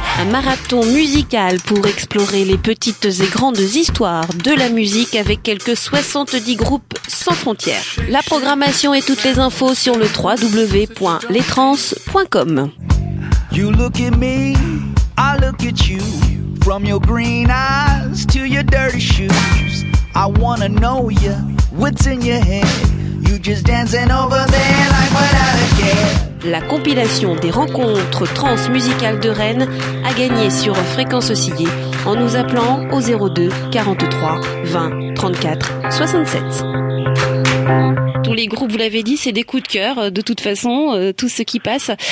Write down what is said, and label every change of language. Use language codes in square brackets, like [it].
[fr] Marathon musical pour explorer les petites et grandes histoires de la musique avec quelques 70 groupes sans frontières. La programmation et toutes les infos sur le www.lestrans.com. [en] You look at me, I look at you, from your green eyes to your dirty shoes. I wanna know you, what's in your head, you just dancing over there like what out of care. [fr] La compilation des rencontres transmusicales de Rennes a gagné sur Fréquence Oscillée en nous appelant au 02 43 20 34 67. Tous les groupes, vous l'avez dit, c'est des coups de cœur, de toute façon, tout ce qui passe.